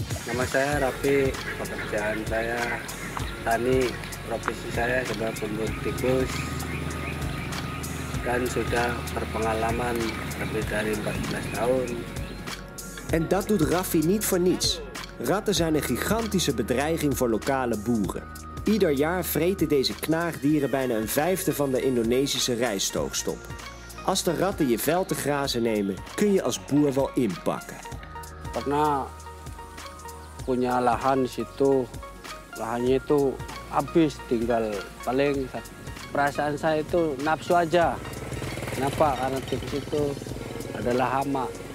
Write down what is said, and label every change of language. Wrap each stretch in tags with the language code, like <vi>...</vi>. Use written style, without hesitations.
<id>Nama saya Rapi, pekerjaan saya tani, profesi saya sebagai pembunuh tikus dan sudah berpengalaman lebih dari 14 tahun.</id> <nl>En dat doet Raffi niet voor niets. Ratten zijn een gigantische bedreiging voor lokale boeren. Ieder jaar vreten deze knaagdieren bijna een vijfde van de Indonesische rijstoogst op. Als de ratten je veld te grazen nemen, kun je als boer wel inpakken.</nl> <id>Karena punya lahan situ, lahannya itu habis, tinggal paling perasaan saya itu nafsu aja. Kenapa? Karena di situ adalah hama.</id>